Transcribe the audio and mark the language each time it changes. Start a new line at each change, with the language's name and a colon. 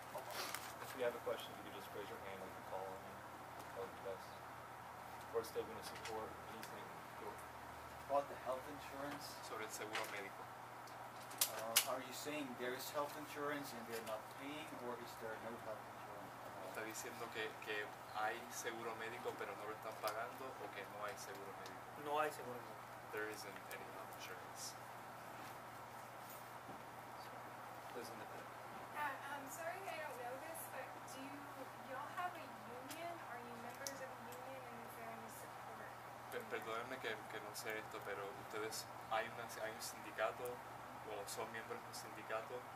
English: If you have a question, you can just raise your hand and call on me. That would be best. Of course, they're going to support anything. About the health insurance?
Spanish: Sobre el seguro médico. Uh,
English: Are you saying there is health insurance and they're not paying, or is there no health insurance?
Spanish: Está diciendo que hay seguro médico, pero no lo están pagando, o que no hay seguro médico. No hay seguro médico.
English: There isn't any health insurance. I'm sorry I don't know this, but do y'all have a union? Are you members of a union, and is there any support?
Spanish: Perdóneme que no sé esto, pero ustedes, hay un sindicato, o son miembros de un sindicato?